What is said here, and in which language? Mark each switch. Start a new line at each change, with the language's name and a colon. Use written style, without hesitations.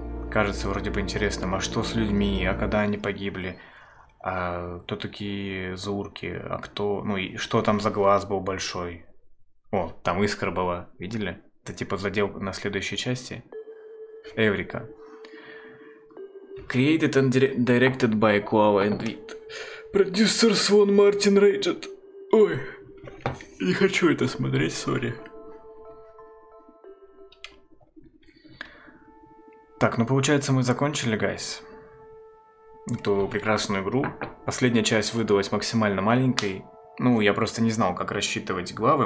Russian: Кажется вроде бы интересным, а что с людьми, а когда они погибли, а кто такие зурки, а кто, ну и что там за глаз был большой. О, там искра была, видели? Это типа задел на следующей части. Эврика.
English: Created and directed by Koala and Vid. Producer Swan Martin Raged.
Russian: Ой, не хочу это смотреть, сори. Так, ну получается мы закончили, гайс, эту прекрасную игру. Последняя часть выдалась максимально маленькой. Ну, я просто не знал, как рассчитывать главы.